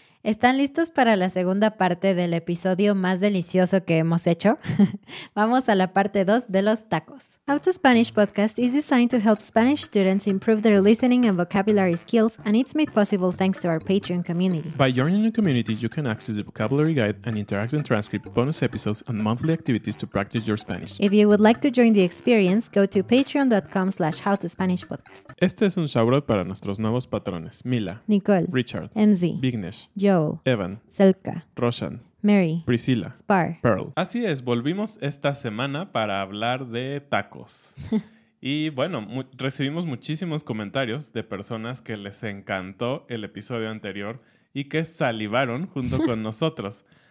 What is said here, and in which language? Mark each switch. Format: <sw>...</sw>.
<es>¿Están listos para la segunda parte del episodio más delicioso que hemos hecho? Vamos a la parte 2 de los tacos.</es> <en>How to Spanish Podcast is designed to help Spanish students improve their listening and vocabulary skills, and it's made possible thanks to our Patreon community. By joining the community, you can access the vocabulary guide, an interactive transcript, bonus episodes, and monthly activities to practice your Spanish. If you would like to join the experience, go to patreon.com/howtospanishpodcast.</en> <es>Este es un shoutout para nuestros nuevos patrones. Mila. Nicole. Richard. MZ. Vignesh. Joel. Evan. Selka. Roshan. Mary. Priscila. Spar. Pearl. Así es, volvimos esta semana para hablar de tacos. Y bueno, recibimos muchísimos comentarios de personas que les encantó el episodio anterior y que salivaron junto con nosotros.</es>